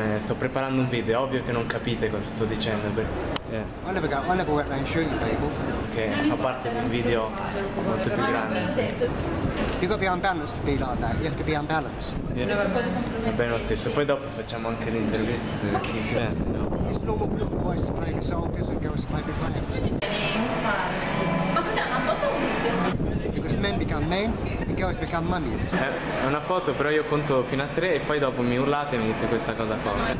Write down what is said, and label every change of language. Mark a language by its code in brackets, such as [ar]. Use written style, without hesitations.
[it] Sto preparando un video, ovvio che non capite cosa sto dicendo. [en] Yeah. I never went around shooting people. [it] Che fa parte di un video molto più grande. [en] You gotta be unbalanced to be like that. You have to be unbalanced. [it] Yeah. Va bene lo stesso. Poi dopo facciamo anche l'intervista su chi è. [en] It's normal for little boys to play with soldiers and girls to play with lambs. [it] Ma cos'è, una foto o un video? [en] Because men become men and girls become mummies. [it] È una foto, però io conto fino a tre e poi dopo mi urlate e mi dite questa cosa qua.